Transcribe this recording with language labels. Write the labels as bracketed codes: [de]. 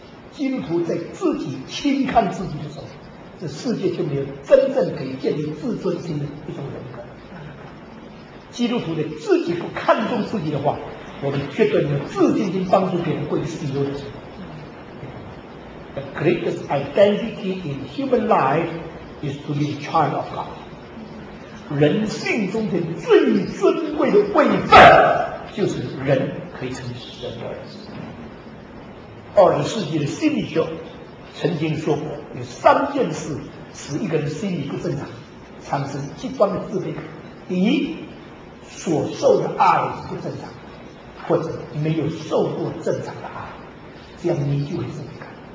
[zh] 基督徒在自己轻看自己的时候，这世界就没有真正可以建立自尊心的一种人格。基督徒的自己不看重自己的话，我们觉得你自尊心帮助别人会是有的。 [en] The greatest identity in human life is to be a child of God. [zh] 人性中的最尊贵的位分，就是人可以成为神的儿子。二十世纪的心理学曾经说过，有三件事使一个人心理不正常，产生极端的自卑感：第一，所受的爱不正常，或者没有受过正常的爱，这样你就会自卑感。